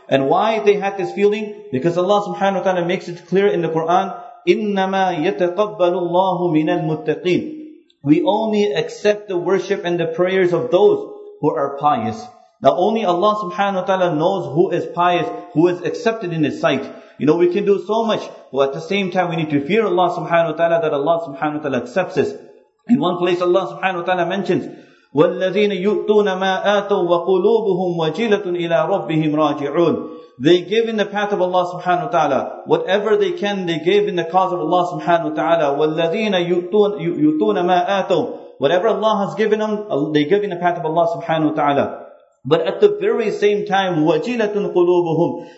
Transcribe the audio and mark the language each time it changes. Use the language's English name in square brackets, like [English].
[English] And why they had this feeling? Because Allah subhanahu wa ta'ala makes it clear in the Quran, [Arabic] إِنَّمَا يَتَقَبَّلُ اللَّهُ مِنَ الْمُتَّقِينَ. [English] We only accept the worship and the prayers of those who are pious. Now only Allah subhanahu wa ta'ala knows who is pious, who is accepted in His sight. You know, we can do so much, but at the same time we need to fear Allah subhanahu wa ta'ala that Allah subhanahu wa ta'ala accepts us. In one place Allah subhanahu wa ta'ala mentions, [Arabic] وَالَّذِينَ يُؤْتُونَ مَا آتَوا وَقُلُوبُهُمْ وَجِلَةٌ إِلَىٰ رَبِّهِمْ رَاجِعُونَ. [English] They give in the path of Allah subhanahu wa ta'ala. Whatever they can, they give in the cause of Allah subhanahu wa ta'ala. [Arabic] وَالَّذِينَ يُؤْتُونَ مَا آتَوا. [English] Whatever Allah has given them, they give in the path of Allah subhanahu wa ta'ala. But at the very same time, [Arabic] وَجِلَةٌ قُلُوبُهُمْ.